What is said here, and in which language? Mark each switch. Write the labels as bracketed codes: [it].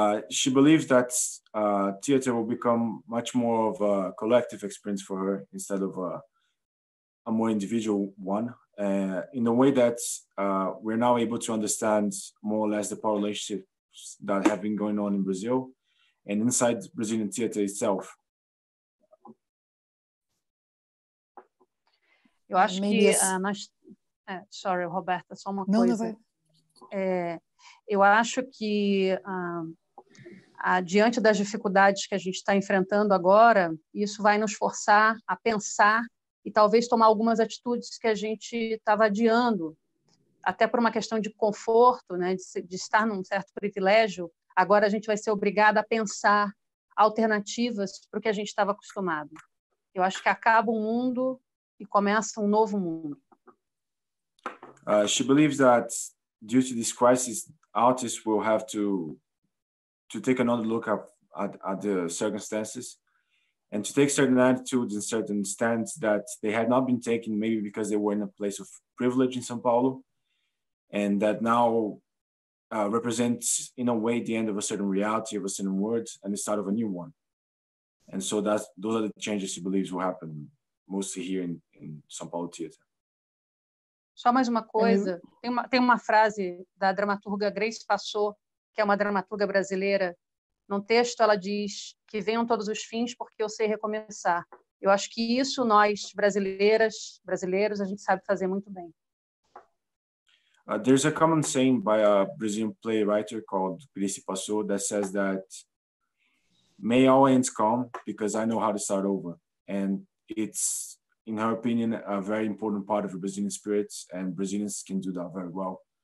[en] She believes that theater will become much more of a collective experience for her instead of a more individual one, in a way that we're now able to understand more or less the power relationships that have been going on in Brazil and inside Brazilian theater itself. [pt] Eu acho que sorry, Roberta, só uma coisa. Eu acho que diante das dificuldades que a gente está enfrentando agora, isso vai nos forçar a pensar e talvez tomar algumas atitudes que a gente estava adiando, até por uma questão de conforto, né, de estar num certo privilégio. Agora a gente vai ser obrigado a pensar alternativas para o que a gente estava acostumado. Eu acho que acaba um mundo e começa um novo mundo. [en] She believes that due to this crisis, artists will have to take another look at the circumstances and to take certain attitudes and certain stands that they had not been taking, maybe because they were in a place of privilege in São Paulo, and that now represents, in a way, the end of a certain reality, of a certain world, and the start of a new one. And so those are the changes she believes will happen, mostly here in São Paulo Theater. [pt] Só mais uma coisa. Tem uma frase da dramaturga Grace Passot, que é uma dramaturga brasileira, num texto ela diz que venham todos os fins porque eu sei recomeçar. Eu acho que isso nós, brasileiras, brasileiros, a gente sabe fazer muito bem. [en] There's a common saying by a Brazilian playwright called Grice Passou that says that may all ends come because I know how to start over. And it's, in her opinion, a very important part of the Brazilian spirit, and Brazilians can do that very well.